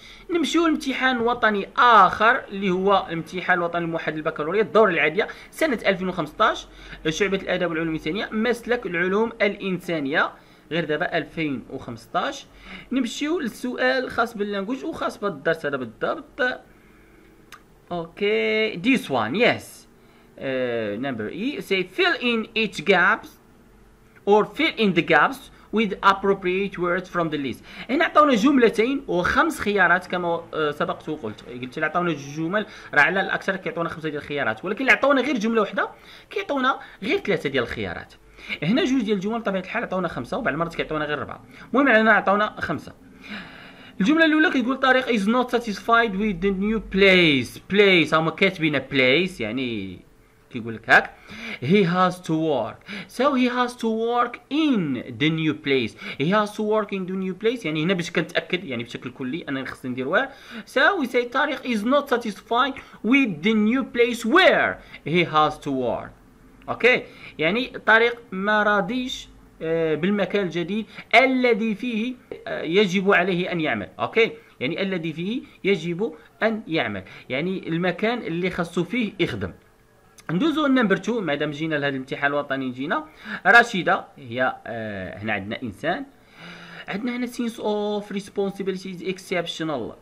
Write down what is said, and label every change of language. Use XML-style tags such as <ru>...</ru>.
<ar>نمشيو لامتحان وطني اخر اللي هو الامتحان الوطني الموحد للبكالوريا الدور العاديه سنه 2015 شعبه الاداب والعلوم الانسانيه مسلك العلوم الانسانيه غير دابا 2015. نمشيو للسؤال خاص باللانجوج وخاص بالدرس هذا بالضبط.</ar> <en>Okay this one yes. Number E say fill in each gaps or fill in the gaps with appropriate words from the list.</en> <ar>هنا عطاونا جملتين وخمس خيارات كما سبقت وقلت، قلت اللي عطاونا جوج جمل راه على الاكثر كيعطونا خمسه ديال الخيارات، ولكن اللي عطاونا غير جمله واحده كيعطونا غير ثلاثه ديال الخيارات. هنا جوج ديال الجمل بطبيعه الحال عطاونا خمسه وبعض المرات كيعطونا غير اربعه، المهم علينا عطاونا خمسه. الجمله الاولى كتقول</ar> <en>Tariq is not satisfied with the new place.</en> <ar>Place هما كاتبين place يعني كيقول لك هاك</ar> <en>he has to work. So he has to work in the new place. He has to work in the new place</en> <ar>يعني هنا باش كنتاكد يعني بشكل كلي انا خصني ندير وير.</ar> <en>So we say Tariq is not satisfied with the new place where he has to work.</en> <ar>اوكي يعني طارق ما راضيش بالمكان الجديد الذي فيه يجب عليه ان يعمل. اوكي يعني الذي فيه يجب ان يعمل يعني المكان اللي خصو فيه يخدم. ندوزو النمبر 2 مادام جينا لهذا الامتحان الوطني. جينا رشيدة هي هنا عندنا انسان، عندنا هنا سينس اوف ريسبونسابيلتي از اكسبشنال.</ar>